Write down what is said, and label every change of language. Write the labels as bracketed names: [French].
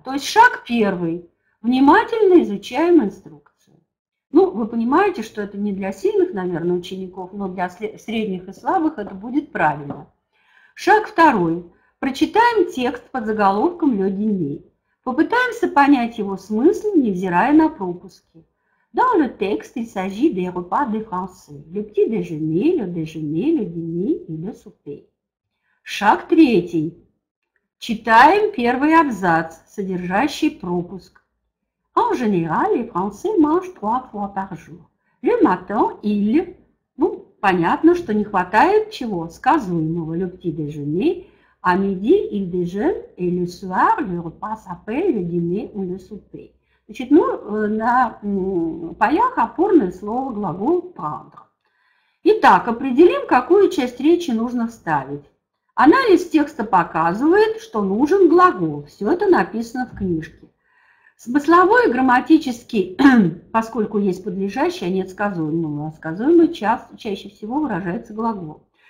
[Russian] То есть шаг первый. Внимательно изучаем инструкцию. Ну, вы понимаете, что это не для сильных, наверное, учеников, но для средних и слабых это будет правильно. Шаг второй. Прочитаем текст под заголовком «Le dîner». Попытаемся понять его смысл, невзирая на пропуски. [French] Dans le texte, il s'agit des repas de français. Le petit déjeuner, le déjeuner, le dîner [Russian] и [French] le souper. [Russian] Шаг третий. Читаем первый абзац, содержащий пропуск. [French] En général, les Français mangent trois fois par jour. Le matin, il... [Russian] Ну, понятно, что не хватает чего сказуемого. [French] Le petit déjeuner... А midi, il déjeune, et le soir, le repas s'appelle le dîner ou le souper. [Russian] Значит, ну, на полях опорное слово глагол prendre. Итак, определим, какую часть речи нужно вставить. Анализ текста показывает, что нужен глагол. Все это написано в книжке. Смысловой и грамматический, поскольку есть подлежащий, а нет сказуемого, а сказуемый чаще всего выражается глагол.